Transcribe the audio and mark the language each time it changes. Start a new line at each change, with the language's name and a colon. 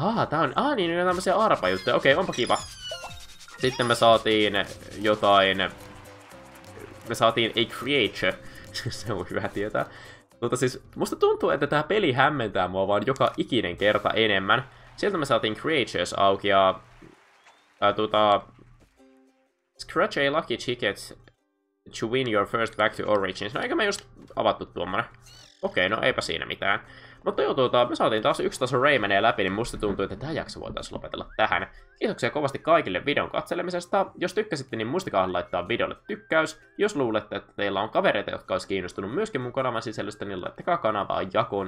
Finnish: Tää on tämmösiä arpajuttuja. Okei, okay, onpa kiva. Sitten me saatiin jotain... Me saatiin a creature. Se on hyvä tietää. Mutta siis, musta tuntuu, että tää peli hämmentää mua vaan joka ikinen kerta enemmän. Sieltä me saatiin Creatures auki ja...
English: Scratch a lucky ticket to win your first back to Origins.
Finnish: No eikä mä just avattu tuommoinen. Okei, no eipä siinä mitään. Mutta joo, me saatiin taas yksi taso Raymania läpi, niin musta tuntuu, että tää jakso voitaisiin lopetella tähän. Kiitoksia kovasti kaikille videon katselemisesta. Jos tykkäsitte, niin muistakaa laittaa videolle tykkäys. Jos luulette, että teillä on kavereita, jotka olisi kiinnostunut myöskin mun kanavan sisällöstä, niin laittakaa kanavaa jakoon.